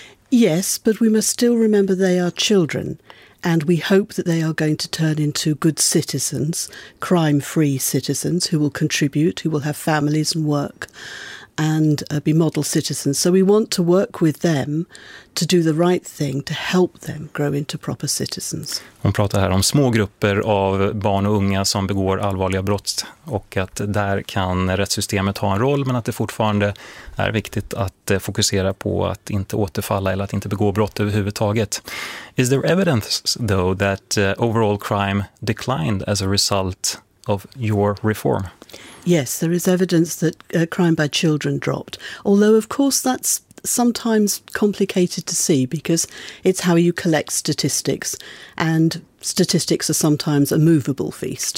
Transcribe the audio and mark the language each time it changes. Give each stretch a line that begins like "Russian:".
English: Yes, but we must still remember they are children, and we hope that they are going to turn into good citizens, crime-free citizens who will contribute, who will have families and work, and be model citizens. So we want to work with them to do the right thing, to help them grow into proper citizens.
Swedish: Hon pratar här om små grupper av barn och unga som begår allvarliga brott och att där kan rättssystemet ha en roll, men att det fortfarande är viktigt att fokusera på att inte återfalla eller att inte begå brott överhuvudtaget.
English: Is there evidence though that overall crime declined as a result of your reform? Yes, there is evidence that crime by children dropped. Although, of course, that's sometimes complicated to see because it's how you collect statistics, and statistics are sometimes a movable feast.